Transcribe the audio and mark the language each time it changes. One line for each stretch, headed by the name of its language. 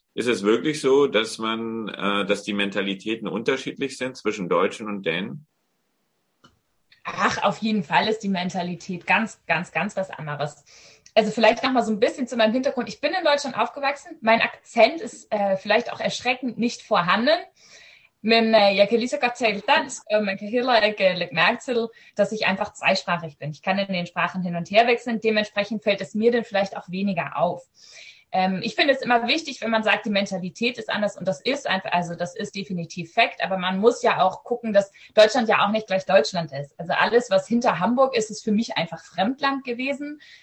German: Ist es wirklich so, dass man, dass die Mentalitäten unterschiedlich sind zwischen Deutschen und Dänen? Ach, auf jeden Fall ist die Mentalität ganz, ganz, ganz was anderes. Also vielleicht nochmal so ein bisschen zu meinem Hintergrund. Ich bin in Deutschland aufgewachsen. Mein Akzent ist vielleicht auch erschreckend nicht vorhanden.
Danish: Men jeg kan lige så godt tale dansk, og man kan heller ikke lægge mærke til,
German: dass ich einfach zweisprachig bin. Ich kann in den Sprachen hin und her wechseln. Dementsprechend fällt es mir dann vielleicht auch weniger auf. Ich finde es immer wichtig, wenn man sagt, die Mentalität ist anders und das ist einfach, also das ist definitiv Fakt, aber man muss ja auch gucken, dass Deutschland ja auch nicht gleich Deutschland ist. Also alles, was hinter Hamburg ist, ist für mich einfach Fremdland gewesen.